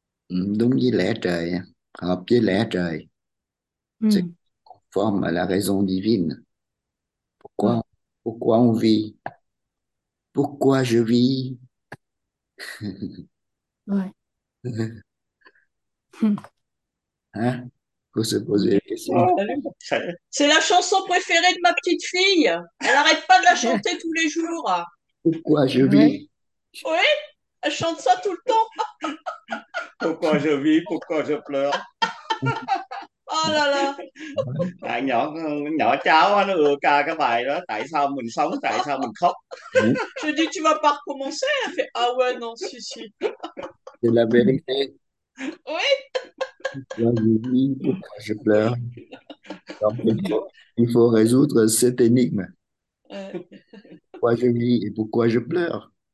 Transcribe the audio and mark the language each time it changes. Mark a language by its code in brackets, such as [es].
[vi] Đúng với lẽ trời, hợp với lẽ trời. [fr] C'est conforme à la raison divine. Pourquoi? Pourquoi on vit? Pourquoi je vis? Ouais. Hein? Se poser c'est la chanson préférée de ma petite fille. Elle arrête pas de la chanter tous les jours. Pourquoi je vis? Oui, elle chante ça tout le temps. Pourquoi je vis? Pourquoi je pleure? Oh là là. [vi] À, nhỏ nhỏ cháu nó ưa ca cái bài đó. Tại sao mình sống? Tại sao mình khóc? [fr] Je dis tu vas pas recommencer. Elle fait ah ouais non si si. C'est la vérité. Oui. Je pleure. Donc, il faut résoudre cette énigme. Pourquoi je vis et pourquoi je pleure?